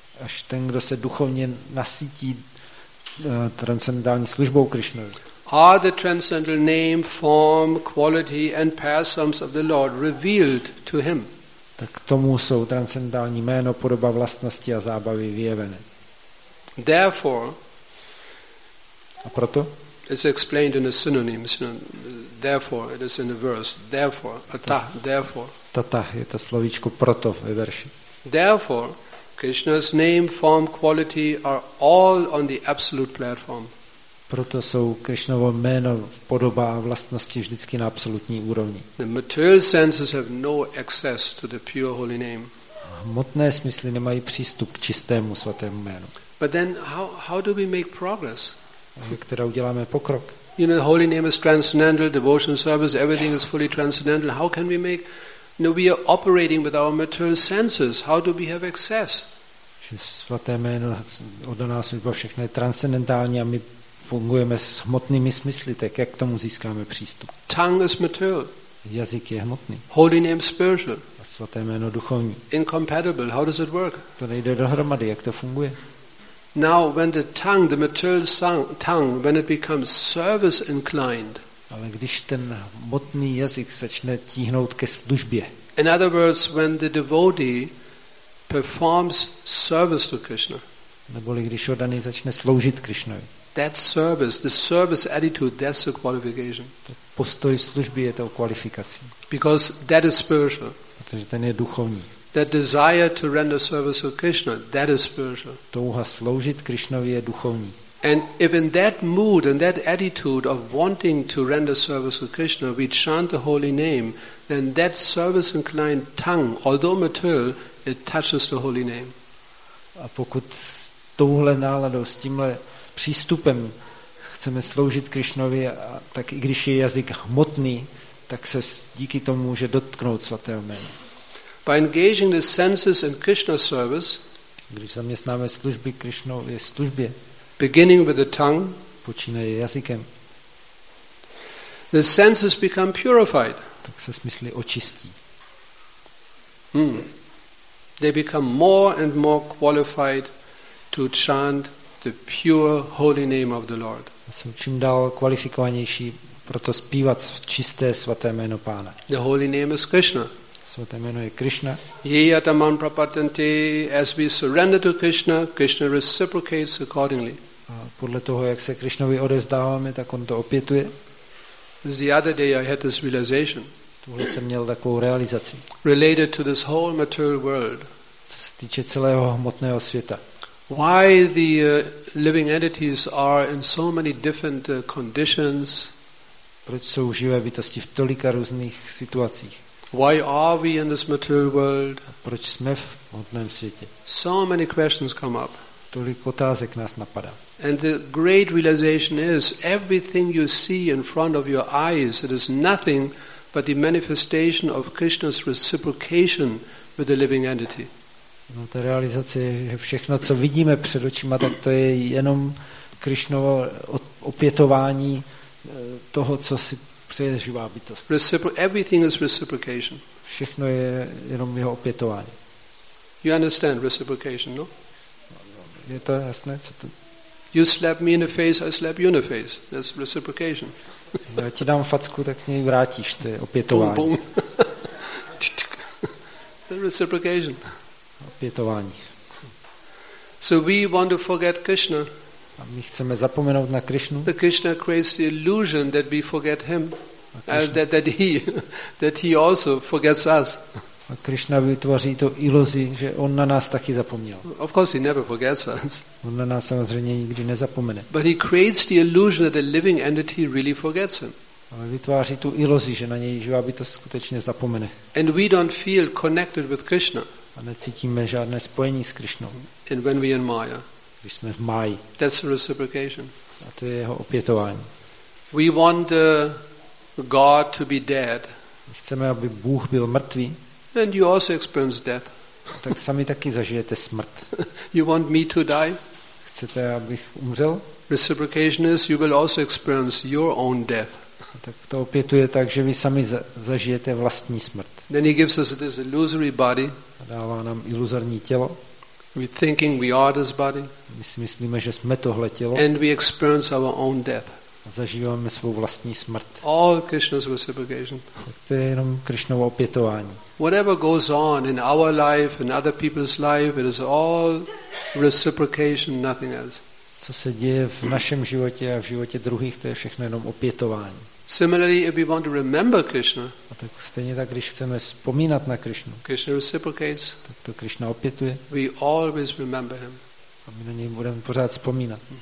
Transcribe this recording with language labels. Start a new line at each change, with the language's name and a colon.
Czech: Až ten, kdo se duchovně nasytí transcendentální službou Krišnovi.
English: Are the transcendental name, form, quality and pastimes of the Lord revealed to him?
Czech: Tak tomu jsou transcendentální jméno, podoba, vlastnosti a zábavy vyjevené.
English: Therefore,
Czech: a proto?
English: It's explained in a synonym, therefore, it is in the verse, therefore, atah, therefore.
Czech: Tata je to slovíčko proto ve verši.
English: Therefore, Krishna's name, form, quality are all on the absolute platform.
Czech: Proto jsou Krišnovo jméno, podoba a vlastnosti vždycky na absolutní úrovni.
English: The material senses have no access to the pure holy name.
Czech: Hmotné smysly nemají přístup k čistému svatému jménu.
English: But then how do we make progress?
Czech: Jak teda uděláme pokrok?
English: You know, holy name is transcendental, devotion service, everything is fully transcendental. How can we make, you know, we are operating with our material senses. How do we have access?
Czech: Že svaté jméno od nás už všechno je transcendentální a my fungujeme s hmotnými smysly, tak jak k tomu získáme přístup?
English: Tongue is material.
Czech: Jazyk je hmotný.
English: Holy name spiritual.
Czech: A svaté jméno duchovní.
English: Incompatible. How does it work?
Czech: To nejde dohromady, jak to funguje?
English: Now when the tongue, the material tongue, when it becomes service inclined.
Czech: Ale když ten hmotný jazyk začne tíhnout ke službě.
English: In other words, when the devotee performs service to Krishna.
Czech: Neboli když oddaný začne sloužit Krišnovi.
English: That service, the service attitude, that's the qualification.
Czech: Postoj služby je to kvalifikací.
English: Because that is spiritual.
Czech: Protože ten je duchovní.
English: That desire to render service to Krishna, that is spiritual.
Czech: Touha sloužit Krišnovi je duchovní.
English: And if in that mood and that attitude of wanting to render service to Krishna, we chant the holy name, then that service inclined tongue, although material, it touches the holy name.
Czech: A pokud s touhle náladou, s tímhle přístupem chceme sloužit Krišnovi, a tak i když je jazyk hmotný, tak se díky tomu může dotknout svatého jména.
English: By engaging the senses in Krishna service,
Czech: Když zaměstnáme služby Krišnou, je službě.
English: Beginning with the tongue.
Czech: Počínaje jazykem.
English: The senses become purified.
Czech: Tak se smysly očistí.
English: They become more and more qualified to chant the pure holy name of the Lord.
Czech: Jsou čím dál kvalifikovanější proto zpívat čisté svaté jméno Pána.
English: The holy name is Krishna.
Czech: Svaté jméno je Krishna.
Sanskrit: Yatamam prapatanti,
English: as we surrender to Krishna, Krishna reciprocates accordingly.
Czech: A podle toho, jak se Krishnovi odevzdáváme, tak on to opětuje.
English: The other day I had this realization.
Czech: Tuhle jsem měl takovou realizaci.
English: Related to this whole material world.
Czech: Co se týče celého hmotného světa.
English: Why the living entities are in so many different conditions?
Czech: Proč jsou živé bytosti v tolika různých situacích?
English: Why are we in this material world?
Czech: Proč jsme v hmotném světě?
English: So many questions come up.
Czech: Tolik otázek nás napadá.
English: And the great realization is everything you see in front of your eyes, it is nothing but the manifestation of Krishna's reciprocation with the living entity.
Czech: No, ta realizace je, že všechno, co vidíme před očima, tak to je jenom Krišnovo opětování toho, co si přeje živá bytost.
English: Everything is reciprocation.
Czech: Všechno je jenom jeho opětování.
English: You understand reciprocation, no?
Czech: Je to jasné, co to?
English: You slap me in the face, I slap you in the face. That's reciprocation.
Czech: Já ti dám facku, tak mě ji vrátíš, to je opětování.
English: Boom, boom. Reciprocation.
Czech: Opětování.
English: So we want to forget Krishna.
Czech: A my chceme zapomenout na Krishnu.
English: The Krishna creates the illusion that we forget him, that he also forgets us.
Czech: A Krishna vytvoří tu iluzi, že on na nás taky zapomněl.
English: Of course he never forgets us.
Czech: On na nás samozřejmě nikdy nezapomene.
English: But he creates the illusion that the living entity really forgets him.
Czech: Ale vytváří tu iluzi, že na něj živá bytost skutečně zapomene.
English: And we don't feel connected with Krishna.
Czech: A necítíme žádné spojení s Krišnou.
English: And when we in Maya.
Czech: Když jsme v Máji.
English: That's reciprocation.
Czech: A to je jeho opětování.
English: We want God to be dead.
Czech: Chceme, aby Bůh byl mrtvý.
English: And you also experience death.
Czech: Tak sami taky zažijete smrt.
English: You want me to die?
Czech: Chcete, abych umřel?
English: Reciprocation is you will also experience your own death.
Czech: Tak to opětuje tak, že vy sami zažijete vlastní smrt.
English: Then he gives us this illusory body.
Czech: A dává nám iluzorní tělo.
English: We thinking we are this body.
Czech: My si myslíme, že jsme tohle tělo.
English: And we experience our own death.
Czech: A zažíváme svou vlastní smrt.
English: All Krishna's reciprocation.
Czech: Tak to je jenom Krišnovo opětování.
English: Whatever goes on in our life and other people's life, it is all reciprocation, nothing else.
Czech: Co se děje v našem životě a v životě druhých, to je všechno jenom opětování.
English: Similarly, if we want to remember Krishna,
Czech: a tak stejně tak, když chceme vzpomínat na Krišnu,
English: Krishna reciprocates,
Czech: tak to Krišna opětuje.
English: We always remember him.
Czech: A my na něj budeme pořád vzpomínat.